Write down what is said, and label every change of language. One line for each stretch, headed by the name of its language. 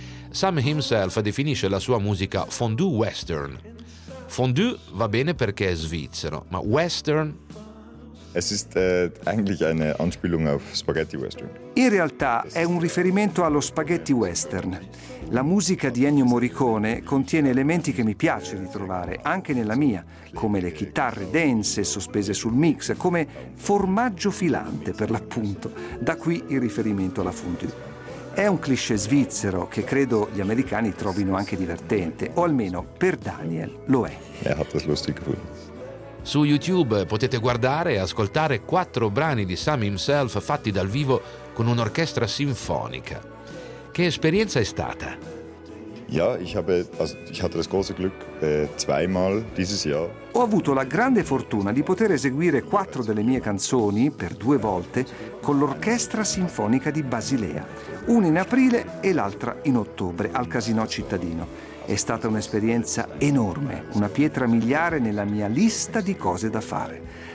Italian: Sam himself definisce la sua musica fondue western. Fondue va bene perché è svizzero, ma western?
German: Es ist eigentlich eine Anspielung auf Spaghetti Western.
Italian: In realtà è un riferimento allo spaghetti western. La musica di Ennio Morricone contiene elementi che mi piace ritrovare anche nella mia, come le chitarre dense sospese sul mix, come formaggio filante per l'appunto. Da qui il riferimento alla fondue. È un cliché svizzero che credo gli americani trovino anche divertente, o almeno per Daniel lo è.
German: Er hat das lustig gefunden.
Italian: Su YouTube potete guardare e ascoltare quattro brani di Sam himself fatti dal vivo con un'orchestra sinfonica. Che esperienza è stata?
German: Ja, ich hatte das große Glück, zweimal dieses Jahr.
Italian: Ho avuto la grande fortuna di poter eseguire quattro delle mie canzoni per due volte con l'Orchestra Sinfonica di Basilea, una in aprile e l'altra in ottobre al Casinò Cittadino. È stata un'esperienza enorme, una pietra miliare nella mia lista di cose da fare.